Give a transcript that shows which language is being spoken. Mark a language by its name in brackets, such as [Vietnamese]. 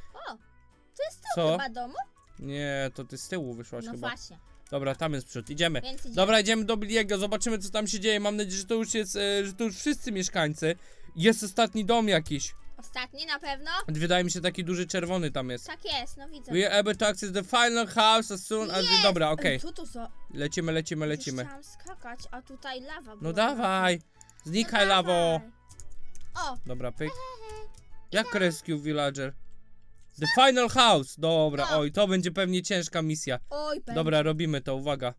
[Polish] O! To jest tył chyba domu? Nie, to ty z tyłu wyszłaś no chyba. No właśnie. Dobra, tam jest przód. Idziemy. Idziemy. Dobra, idziemy do Billiego, zobaczymy co tam się dzieje. Mam nadzieję, że to już jest, że to już wszyscy mieszkańcy. Jest ostatni dom jakiś. Ostatni na pewno? Wydaje mi się taki duży czerwony tam jest. Tak jest, no widzę. [English] We are able to access the final house as soon as... [Polish] Jest! Dobra, okej. Okay. Co? Lecimy. Już chciałam skakać, a tutaj lawa była. No dawaj! Znikaj, no lawo! O! Dobra, pyk. Jak tam. [English] Rescue villager? The final house! [Polish] Dobra, oj, to będzie pewnie ciężka misja. Oj, pewnie. Dobra, robimy to, uwaga.